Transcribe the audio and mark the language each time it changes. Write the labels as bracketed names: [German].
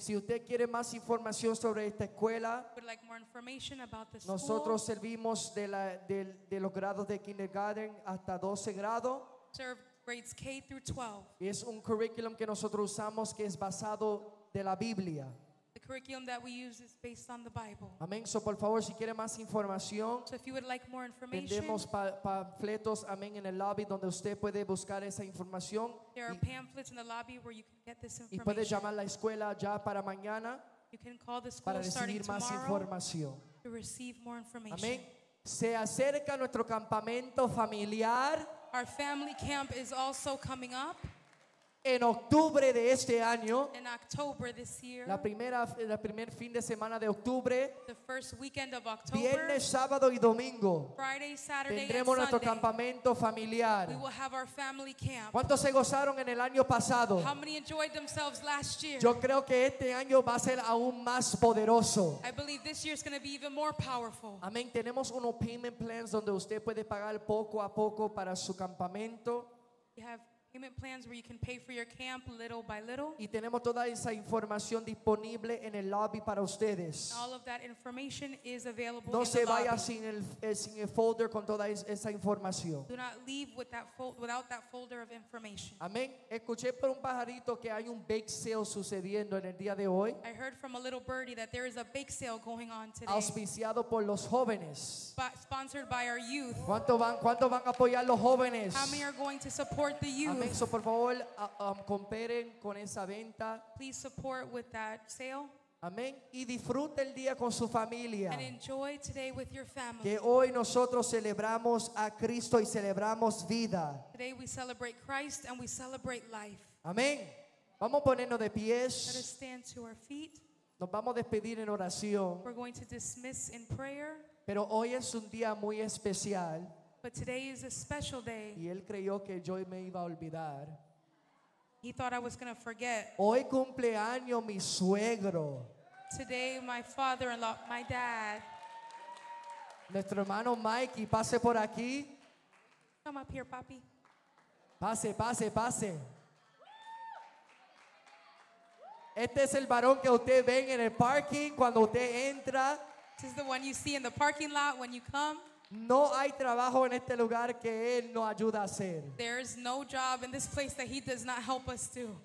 [Spanish] Si usted quiere más información sobre esta escuela, [English] would like more information about the [Spanish] nosotros [English] school. [Spanish] Servimos de los grados de kindergarten hasta 12 grado. [English] Serve grades K through 12. [Spanish] Es un curriculum que nosotros usamos que es basado de la Biblia. [English] The curriculum that we use is based on the Bible. [Spanish] Amén. So por favor, si quiere más información, [English] so if you would like more information, [Spanish] tenemos panfletos, amén, en el lobby donde usted puede buscar esa información. [English] There are pamphlets in the lobby where you can get this information. [Spanish] Y puede llamar la escuela ya para mañana. [English] You can call the school [Spanish] para recibir más información. [English] To receive more information. [Spanish] Amén. Se acerca nuestro campamento familiar. [English] Our family camp is also coming up. [Spanish] En octubre de este año. [English] In October this year. [Spanish] La primer fin de semana de octubre. [English] The first weekend of October. [Spanish] Viernes, sábado y domingo. [English] Friday, Saturday, [Spanish] tendremos [English] and Sunday. [Spanish] Tendremos nuestro campamento familiar. [English] We will have our family camp. [Spanish] ¿Cuántos se gozaron en el año pasado? [English] How many enjoyed themselves last year? [Spanish] Yo creo que este año va a ser aún más poderoso. [English] I believe this year is going to be even more powerful. [Spanish] Amén. Tenemos unos [English] payment plans [Spanish] donde usted puede pagar poco a poco para su campamento. [English] We have payment plans where you can pay for your camp little by little. [Spanish] Y tenemos toda esa información disponible en el lobby para ustedes. [English] All of that information is available [Spanish] no No se vaya sin el folder con toda esa información. [English] Do not leave without that folder of information. [Spanish] Amén. Escuché por un pajarito que hay un [English] bake sale [Spanish] sucediendo en el día de hoy. [English] I heard from a little birdie that there is a bake sale going on today. [Spanish] Auspiciado por los jóvenes. [English] Sponsored by our youth. [Spanish] ¿Cuánto van a apoyar los jóvenes? [English] How many are going to support the youth? [Spanish] Amén. So, por favor, cooperen con esa venta. [English] Please support with that sale. [Spanish] Amén. Y disfrute el día con su familia. [English] And enjoy today with your family. [Spanish] Que hoy nosotros celebramos a Cristo y celebramos vida. [English] Today we celebrate Christ and we celebrate life. [Spanish] Amén. Vamos a ponernos de pies. [English] Let us stand to our feet. [Spanish] Nos vamos a despedir en oración. [English] We're going to dismiss in prayer. [Spanish] Pero hoy es un día muy especial. [English] But today is a special day. [Spanish] Y él creyó que yo me iba a olvidar. [English] He thought I was going to forget. [Spanish] Hoy cumple año mi suegro. [English] Today my father-in-law, my dad. [Spanish] Nuestro hermano Mikey, pase por aquí. [English] Come up here, papi. [Spanish] Pase, pase, pase. Este es el varón que usted ve en el parking cuando usted entra. [English] This is the one you see in the parking lot when you come. [Spanish] No hay trabajo en este lugar que Él no ayuda a hacer. [English] There is no job in this place that He does not help us do.